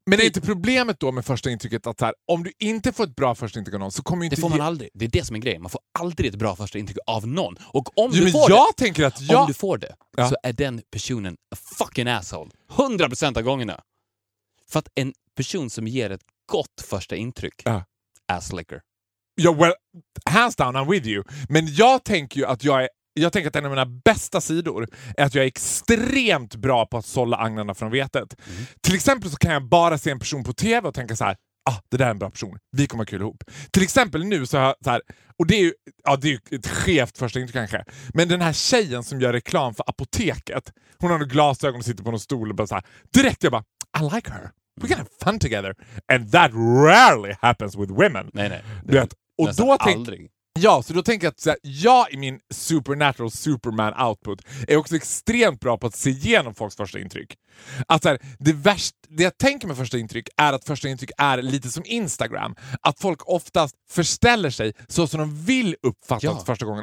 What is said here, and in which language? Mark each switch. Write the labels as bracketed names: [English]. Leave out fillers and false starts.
[Swedish] Men är inte problemet då med första intrycket att så här, om du inte får ett bra första intryck av någon så kommer ju inte... Det får man aldrig. Det är det som är grejen. Man får aldrig ett bra första intryck av någon. Och om jo, du men får jag det, tänker att jag... Om du får det, ja, så är den personen [English] a fucking asshole. [Swedish] 100% av gångerna. För att en person som ger ett gott första intryck, ja, [English] ass licker. Ja, yeah, well, hands down, I'm with you. [Swedish] Men jag tänker ju att jag tänker att en av mina bästa sidor är att jag är extremt bra på att sålla agnarna från vetet. Mm. Till exempel så kan jag bara se en person på TV och tänka så här, ah, det där är en bra person. Vi kommer ha kul ihop. Till exempel nu så har jag så här, och det är ju, ja, det är ju ett skevt första intryck kanske. Men den här tjejen som gör reklam för apoteket, hon har nog glasögon och sitter på någon stol och bara så här, direkt jag bara, [English] I like her. We're gonna have fun together. And that rarely happens with women. [Swedish] Nej, nej. Du vet, och då aldrig. Ja, så då tänker jag att så här, jag i min [English] supernatural superman output [Swedish] är också extremt bra på att se igenom folks första intryck. Att så här, det värsta, det jag tänker med första intryck är att första intryck är lite som Instagram. Att folk oftast förställer sig så som de vill uppfattas, ja, första gången.